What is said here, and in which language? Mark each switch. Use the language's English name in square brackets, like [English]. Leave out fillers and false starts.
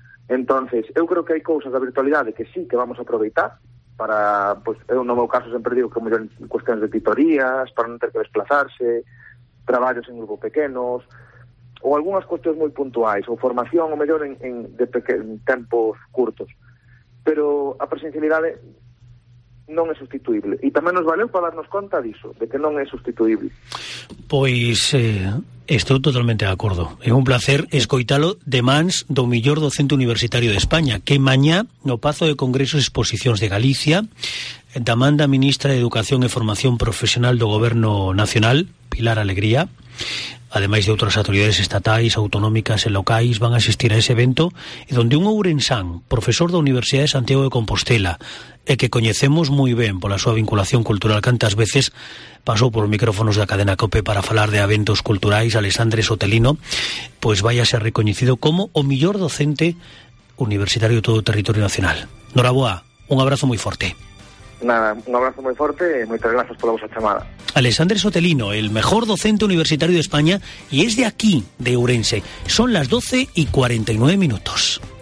[Galician] Entonces, eu creo que hai cousas da virtualidade que sí que vamos a aproveitar para, pues, eu no meu caso sempre digo que mellor cuestións de titorías, para non ter que desplazarse, traballos en grupo pequenos, ou algunhas cuestións moi puntuais, ou formación, ou mellor en tempos curtos. Pero a presencialidade non é sustituible. E tamén nos valeu para darnos conta disso, de que non é sustituible. Pois, estou totalmente de acordo. É un placer escoitalo de mans do mellor docente universitario de España, que mañá, no Pazo de Congresos e Exposicións de Galicia, da man da ministra de Educación e Formación Profesional do Goberno Nacional, Pilar Alegría, ademais de outras autoridades estatais, autonómicas e locais, van a asistir a ese evento, donde un ourensán, profesor da Universidade de Santiago de Compostela, e que coñecemos moi ben pola súa vinculación cultural, cantas veces pasou polos micrófonos da cadena COPE para falar de eventos culturais, Alexandre Sotelino, pois vai a ser recoñecido como o mellor docente universitario de todo o territorio nacional. Noraboa, un abrazo moi forte. [Spanish] Nada, un abrazo muy fuerte y muchas gracias por la vuestra llamada. Alexandre Sotelino, el mejor docente universitario de España, y es de aquí, de Ourense. Son las 12:49.